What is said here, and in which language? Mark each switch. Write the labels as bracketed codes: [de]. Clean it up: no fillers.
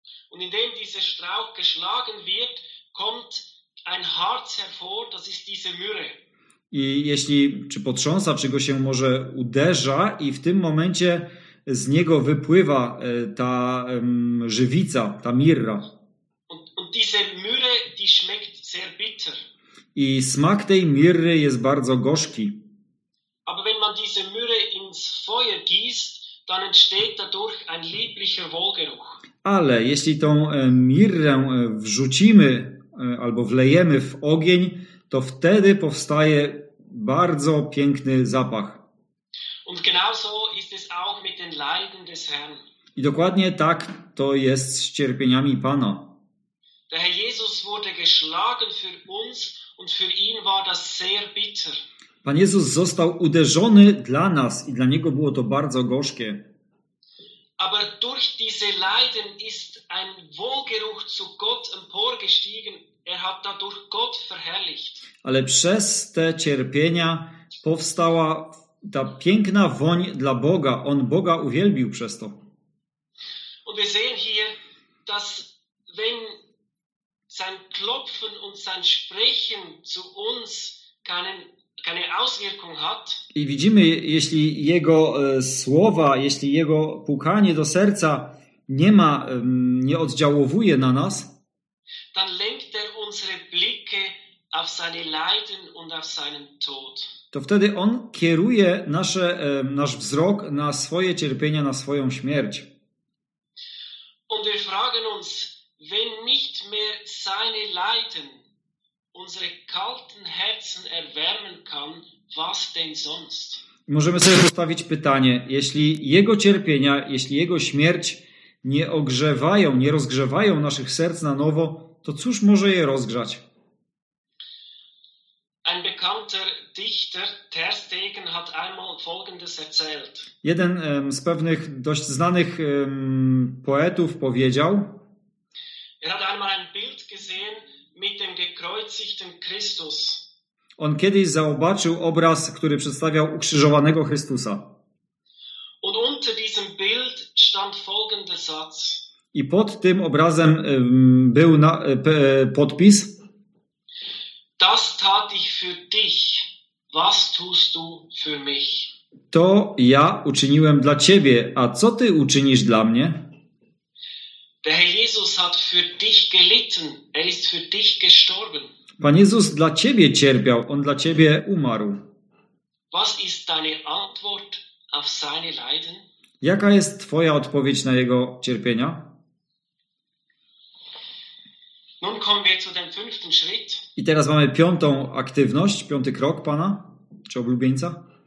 [de] Und indem dieser Strauch geschlagen wird, kommt ein Harz hervor, das ist diese Myrrhe. [pl] I jeśli czy potrząsa, czy go się może uderza, i w tym momencie z niego wypływa ta żywica, ta mirra. [de] Und diese Myrrhe, die schmeckt sehr bitter. [pl] I smak tej mirry jest bardzo gorzki. [de] Aber wenn man diese Myrrhe ins Feuer gießt, dann entsteht dadurch ein lieblicher Wohlgeruch. [pl] Ale jeśli tą mirrę wrzucimy albo wlejemy w ogień, to wtedy powstaje bardzo piękny zapach. [de] Und genauso ist es auch mit den Leiden des Herrn. [pl] I dokładnie tak to jest z cierpieniami Pana. [de] Der Herr Jesus wurde geschlagen für uns und für ihn war das sehr bitter. [pl] Pan Jezus został uderzony dla nas i dla Niego było to bardzo gorzkie. [de] Aber durch diese Leiden ist ein Wohlgeruch zu Gott emporgestiegen. Er hat dadurch Gott verherrlicht. [pl] Ale przez te cierpienia powstała ta piękna woń dla Boga. On Boga uwielbił przez to. [de] Und wir sehen hier, dass wenn sein Klopfen und sein Sprechen zu uns keine Auswirkung hat. [pl] I widzimy, jeśli jego słowa, jeśli jego pukanie do serca nie oddziałowuje na nas, [de] dann lenkt er unsere Blicke auf seine Leiden und auf seinen Tod. [pl] To wtedy on kieruje nasz wzrok na swoje cierpienia, na swoją śmierć. [de] Und wir fragen uns, wenn nicht mehr seine Leiden unsere kalten Herzen erwärmen kann, was denn sonst? [pl] Możemy sobie postawić pytanie, jeśli jego cierpienia, jeśli jego śmierć nie ogrzewają, nie rozgrzewają naszych serc na nowo, to cóż może je rozgrzać? [de] Ein bekannter Dichter, Ter Stegen, hat einmal folgendes erzählt. [pl] Jeden z pewnych dość znanych poetów powiedział. [de] Er hat einmal ein Bild gesehen mit dem gekreuzigten Christus. [pl] On kiedyś zobaczył obraz, który przedstawiał ukrzyżowanego Chrystusa. [de] Und unter diesem Bild stand folgender Satz. [pl] I pod tym obrazem był podpis. [de] Das tat ich für dich. Was tust du für mich? [pl] To ja uczyniłem dla ciebie, a co ty uczynisz dla mnie? [de] Der Herr Jesus hat für dich gelitten. Er ist für dich gestorben. [pl] Pan Jezus dla ciebie cierpiał, on dla ciebie umarł. [de] Was ist deine Antwort auf seine Leiden? [pl] Jaka jest twoja odpowiedź na jego cierpienia? [de] Nun kommen wir zu dem fünften Schritt. [pl] I teraz mamy piątą aktywność, piąty krok Pana, czy oblubieńca.